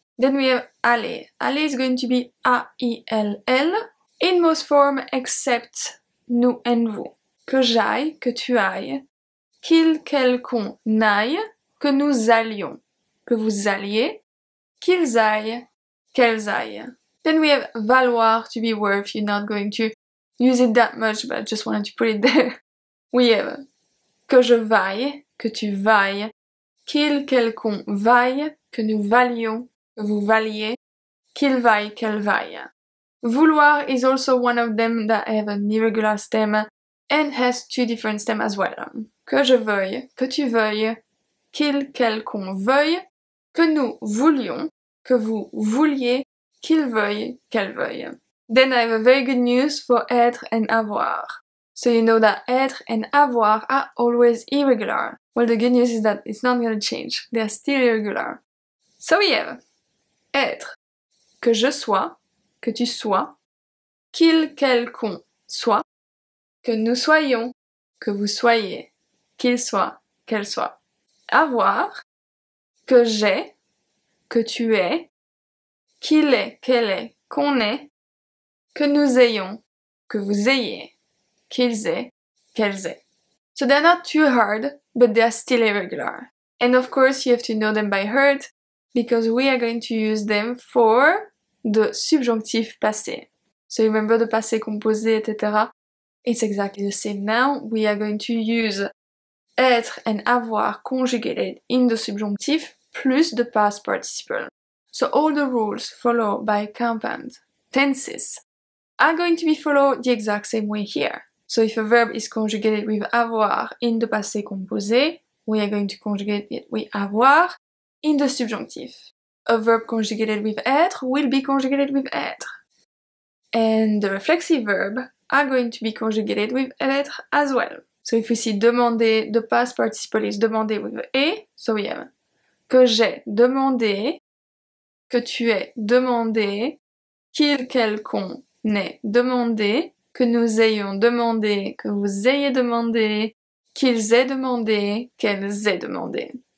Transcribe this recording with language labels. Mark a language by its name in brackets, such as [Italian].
[English] Then we have aller. Aller is going to be A-I-L-L, in most form except nous and vous. [French] Que j'aille, que tu ailles, qu'il, qu'elle, qu'on aille, que nous allions, que vous alliez, qu'ils aillent, qu'elles aillent. [English] Then we have valoir to be worth. You're not going to use it that much, but I just wanted to put it there. We have [French] que je vaille, que tu vailles, qu'il, qu'elle, qu'on vaille, que nous valions, que vous valiez, qu'il vaille, qu'elle vaille. [English] Vouloir is also one of them that have an irregular stem and has 2 different stems as well. [French] Que je veuille, que tu veuilles, qu'il, qu'elle, qu'on veuille, que nous voulions, que vous vouliez, qu'il veuille, qu'elle veuille. [English] Then I have a very good news for être and avoir. So you know that être and avoir are always irregular. Well, the good news is that it's not gonna change. They are still irregular. So we have [French] être, que je sois, que tu sois, qu'il, qu'elle, qu'on soit, que nous soyons, que vous soyez, qu'il soit, qu'elle soit. Avoir, que j'ai, que tu es, qu'il est, qu'elle est, qu'on est, que nous ayons, que vous ayez, qu'ils aient, qu'elles aient. [English] So they're not too hard, but they are still irregular. And of course, you have to know them by heart, because we are going to use them for the subjonctif passé. So you remember the passé composé, etc. It's exactly the same now. We are going to use être and avoir conjugated in the subjonctif plus the past participle. So all the rules followed by compound tenses are going to be followed the exact same way here. So if a verb is conjugated with avoir in the passé composé, we are going to conjugate it with avoir in the subjonctif. A verb conjugated with être will be conjugated with être. And the reflexive verb are going to be conjugated with être as well. So if we see demander, the past participle is demander with et. So we have [French] que j'ai demandé, que tu aies demandé, qu'il, quelqu'un n'ait demandé, que nous ayons demandé, que vous ayez demandé, qu'ils aient demandé, qu'elles aient demandé.